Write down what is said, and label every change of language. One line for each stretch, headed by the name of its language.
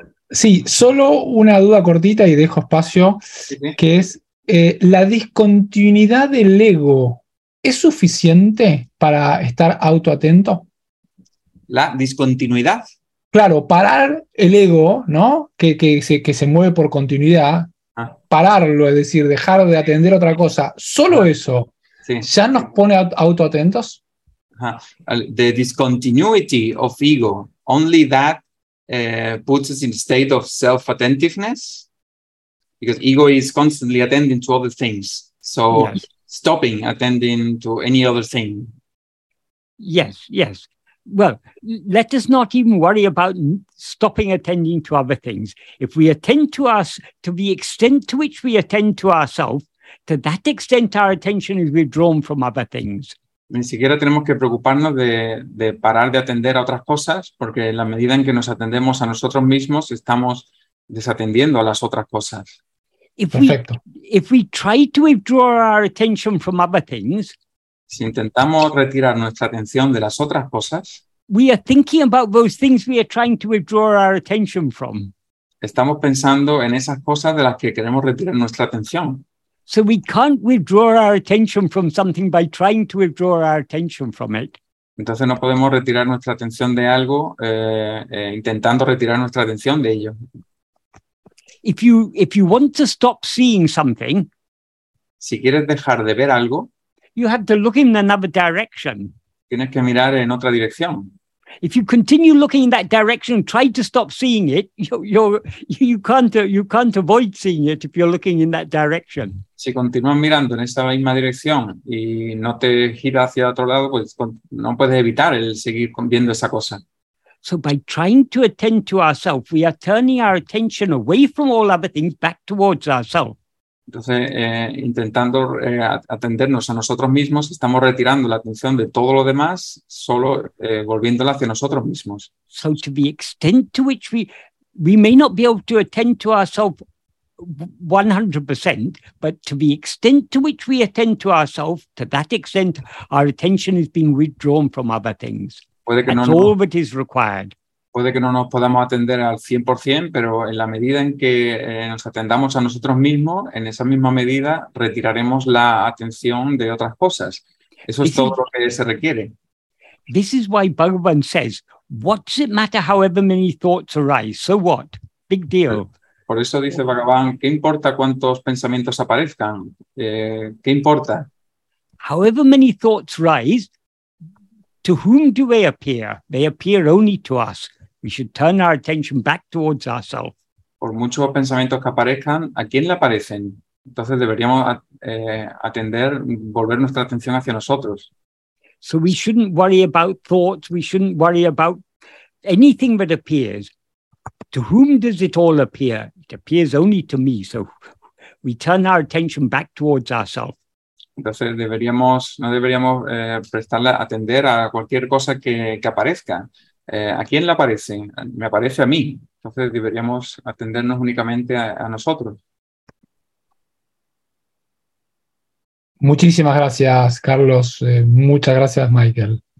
Spanish: Sí, solo una duda cortita y dejo espacio, que es la discontinuidad del ego, ¿es suficiente para estar autoatento? ¿La discontinuidad? Claro, parar el ego, ¿no? Que se mueve por continuidad, pararlo, es decir, dejar de atender otra cosa, solo eso, sí. ¿Ya nos pone autoatentos?
English: The discontinuity of ego, only that puts us in a state of self-attentiveness, because ego is constantly attending to other things, so yes. Stopping attending to any other thing. Yes, yes. Well, let us not even worry about stopping attending to other things. If we attend to us, to the extent to which we attend to ourselves, to that extent our attention is withdrawn from other things.
Spanish: Ni siquiera tenemos que preocuparnos de parar de atender a otras cosas, porque en la medida en que nos atendemos a nosotros mismos, estamos desatendiendo a las otras cosas. Perfecto.
English: If we try to withdraw our attention from other things,
Spanish: si intentamos retirar nuestra atención de las otras cosas,
English: we are thinking about those things we are trying to withdraw our attention from.
Spanish: estamos pensando en esas cosas de las que queremos retirar nuestra atención.
English: So we can't withdraw our attention from something by trying to withdraw our attention from it.
Spanish: Entonces no podemos retirar nuestra atención de algo intentando retirar nuestra atención de ello.
English: If you want to stop seeing something,
Spanish: si quieres dejar de ver algo,
English: you have to look in another direction.
Spanish: Tienes que mirar en otra dirección.
English: If you continue looking in that direction and try to stop seeing it, you can't avoid seeing it if you're looking in that direction.
Spanish: Si continúas mirando en esa misma dirección y no te giras hacia otro lado, pues no puedes evitar el seguir viendo esa cosa.
English: So by trying to attend to ourselves, we are turning our attention away from all other things back towards ourselves.
Spanish: Entonces, intentando atendernos a nosotros mismos, estamos retirando la atención de todo lo demás, solo volviéndola hacia nosotros mismos.
English: So to the extent to which we may not be able to attend to ourselves 100%, but to the extent to which we attend to ourselves, to that extent, our attention is being withdrawn from other things.
Spanish: Puede que
English: That's
Spanish: no,
English: all that is required.
Spanish: Puede que no nos podamos atender al 100%, pero en la medida en que nos atendamos a nosotros mismos, en esa misma medida retiraremos la atención de otras cosas. Eso es todo lo que se requiere.
English: This is why Bhagavan says, what does it matter however many thoughts arise? So what? Big deal.
Spanish: Por eso dice Bhagavan, ¿qué importa cuántos pensamientos aparezcan? ¿Qué importa?
English: However many thoughts arise, to whom do they appear? They appear only to us. We should turn our attention back towards ourselves.
Spanish: Por muchos pensamientos que aparezcan, ¿a quién le aparecen? Entonces deberíamos atender, volver nuestra atención hacia nosotros.
English: So we shouldn't worry about thoughts. We shouldn't worry about anything that appears. To whom does it all appear? It appears only to me. So we turn our attention back towards ourselves.
Spanish: Entonces no deberíamos prestarle atender a cualquier cosa que aparezca. ¿A quién le aparece? Me aparece a mí. Entonces deberíamos atendernos únicamente a nosotros. Muchísimas gracias, Carlos. Muchas gracias, Michael.